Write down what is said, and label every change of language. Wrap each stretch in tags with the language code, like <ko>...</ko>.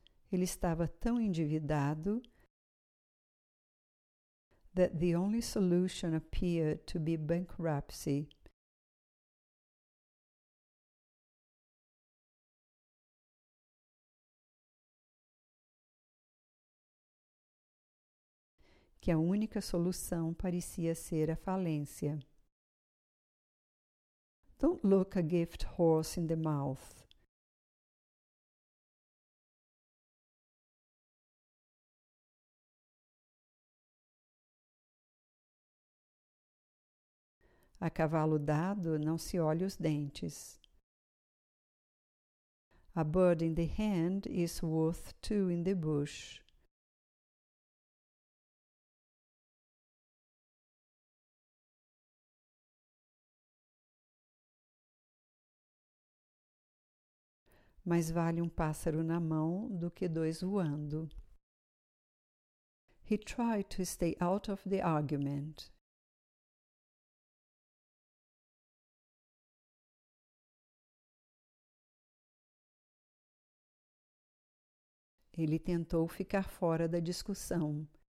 <pt>Ele estava tão endividado</pt> <en>that the only solution appeared to be bankruptcy.</en> <pt>Que a única solução parecia ser a falência.</pt> <en>Don't look a gift horse in the mouth.</en> <pt>A cavalo dado não se olha os dentes.</pt> <en>A bird in the hand is worth two in the bush.</en> <pt>Mais vale um pássaro na mão do que dois voando.</pt> <en>He tried to stay out of the argument.</en> <pt>Ele tentou ficar fora da discussão.</pt>